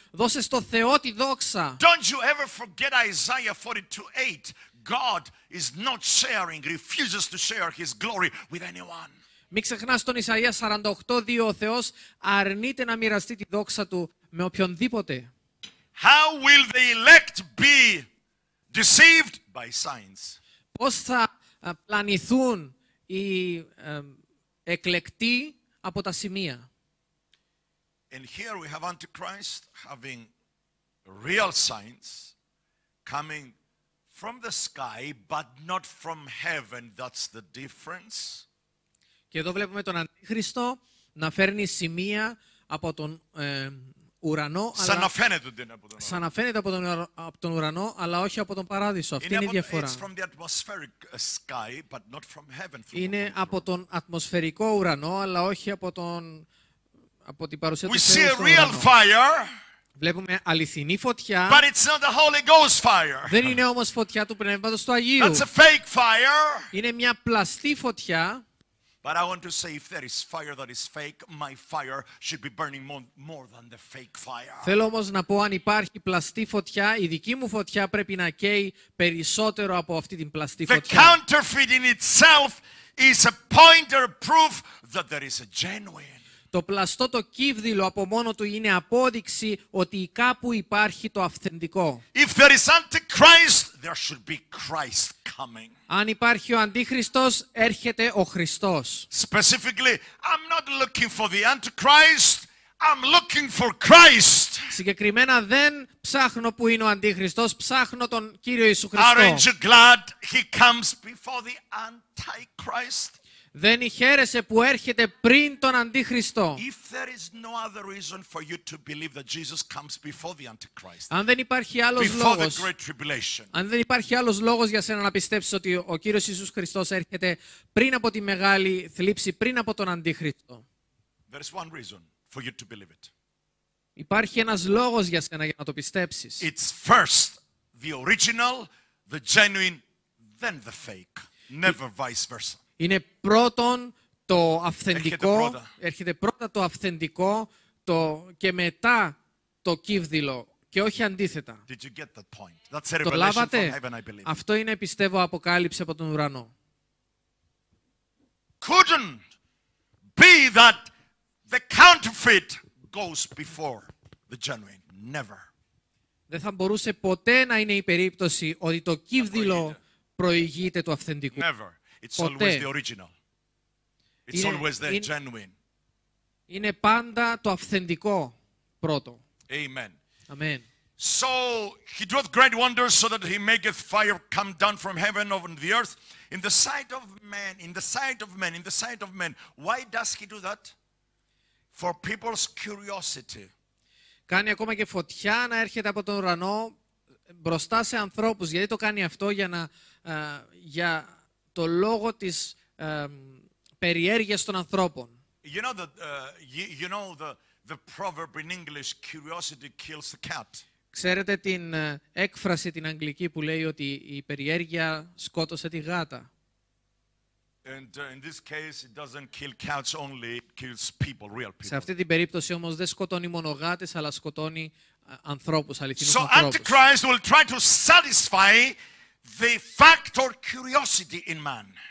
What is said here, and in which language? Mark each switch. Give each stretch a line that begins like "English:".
Greek: Δώσε στο Θεό τη δόξα.
English: Don't you ever forget Isaiah 42:8. God is not sharing, refuses to share His glory with anyone.
Greek: Μην ξεχνάς τον Ισαΐα 48:2, ο Θεός αρνείται να μοιραστεί τη δόξα Του με οποιονδήποτε.
English: How will the elect be deceived by signs?
Greek: Πώς θα πλανηθούν οι εκλεκτοί από τα σημεία?
English: And here we have Antichrist having real signs coming from the sky, but not from heaven. That's the difference.
Greek: Και εδώ βλέπουμε τον Αντίχριστο να φέρνει σημεία από τον ουρανό, σαν αλλά να φαίνεται ότι είναι από τον ουρανό. Σαν να φαίνεται από τον ουρανό, αλλά όχι από τον παράδεισο. Αυτή είναι η διαφορά.
English: It's from the atmospheric sky, but not from heaven.
Greek: Είναι από τον ατμοσφαιρικό ουρανό, αλλά όχι από τον από την παρουσία του Θεού.
English: We see a real fire.
Greek: Βλέπουμε αληθινή φωτιά.
English: But it's not the Holy Ghost fire.
Greek: Δεν είναι όμως φωτιά του Πνεύματος του Αγίου.
English: That's a fake fire.
Greek: Είναι μια πλαστή φωτιά.
English: But I want to say, if there is fire that is fake, my fire should be burning more than the fake fire.
Greek: Θέλω όμως να πω, αν υπάρχει πλαστή φωτιά, η δική μου φωτιά πρέπει να καίει περισσότερο από αυτή την πλαστή φωτιά.
English: The counterfeit in itself is a pointer proof that there is a genuine.
Greek: Το πλαστό, το κύβδιλο από μόνο του είναι απόδειξη ότι κάπου υπάρχει το αυθεντικό.
English: If there is Antichrist, there should be Christ coming.
Greek: Αν υπάρχει ο Αντίχριστος, έρχεται ο Χριστός.
English: Specifically, I'm not looking for the Antichrist, I'm looking for Christ.
Greek: Συγκεκριμένα δεν ψάχνω που είναι ο Αντίχριστος, ψάχνω τον Κύριο Ιησού Χριστό.
English: Aren't you glad he comes before the Antichrist?
Greek: Δεν χαίρεσαι που έρχεται πριν τον Αντίχριστο.
English: If there is no other reason for you to believe that Jesus comes before the Antichrist.
Greek: Αν δεν υπάρχει άλλος λόγος.
English: Before the great tribulation.
Greek: Αν δεν υπάρχει άλλος λόγος για σένα να πιστέψεις ότι ο Κύριος Ιησούς Χριστός έρχεται πριν από τη μεγάλη θλίψη, πριν από τον Αντίχριστο.
English: There is one reason for you to believe it.
Greek: Υπάρχει ένας λόγος για σένα για να το πιστέψεις.
English: It's first the original, the genuine, then the fake. Never vice versa.
Greek: Είναι πρώτον το αυθεντικό, έρχεται πρώτα το αυθεντικό το, και μετά το κύβδιλο και όχι αντίθετα.
English: Did you get that point? That's
Greek: a το λάβατε?
English: From heaven, I believe.
Greek: Αυτό είναι, πιστεύω, αποκάλυψη από τον ουρανό.
English: Couldn't be that the counterfeit goes before the genuine. Never.
Greek: Δεν θα μπορούσε ποτέ να είναι η περίπτωση ότι το κύβδιλο προηγείται του αυθεντικού.
English: Never. It's always the original. It's always the genuine.
Greek: Είναι πάντα το αυθεντικό πρώτο.
English: Amen. Amen. So he doeth great wonders, so that he maketh fire come down from heaven on the earth in the sight of men. In the sight of men. In the sight of men. Why does he do that? For people's curiosity.
Greek: Κάνει ακόμα και φωτιά να έρχεται από τον ουρανό μπροστά σε ανθρώπους. Γιατί το κάνει αυτό? Για να το λόγο της περιέργειας των ανθρώπων.
English: You know that you know the proverb in English, curiosity kills the cat.
Greek: Ξέρετε την έκφραση την αγγλική που λέει ότι η περιέργεια σκότωσε τη γάτα.
English: And in this case it doesn't kill cats only, it kills people, real people.
Greek: Σε αυτή την περίπτωση όμως δεν σκοτώνει μόνο γάτες, αλλά σκοτώνει ανθρώπους, αληθινούς ανθρώπους.
English: So Antichrist will try to satisfy the factor curiosity in man.